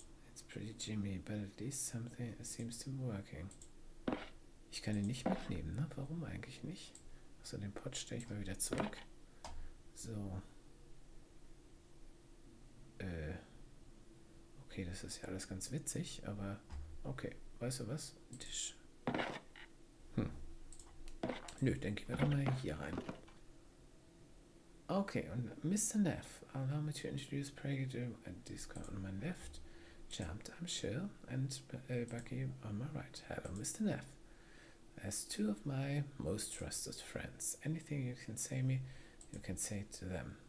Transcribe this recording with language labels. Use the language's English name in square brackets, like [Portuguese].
[English] It's pretty jimmy, but at least something seems to be working. [German] Ich kann ihn nicht mitnehmen, ne? Warum eigentlich nicht? Also den Pot stelle ich mal wieder zurück. So. Okay, das ist ja alles ganz witzig, aber okay, weißt du was? Tisch. Nö, denke ich mir doch mal hier rein. Okay, und Mr. [English] Neff, allow me to introduce Prager and Disco on my left, Charmed, I'm sure, and Bucky on my right. Hello, Mr. Neff. As two of my most trusted friends, anything you can say me, you can say to them.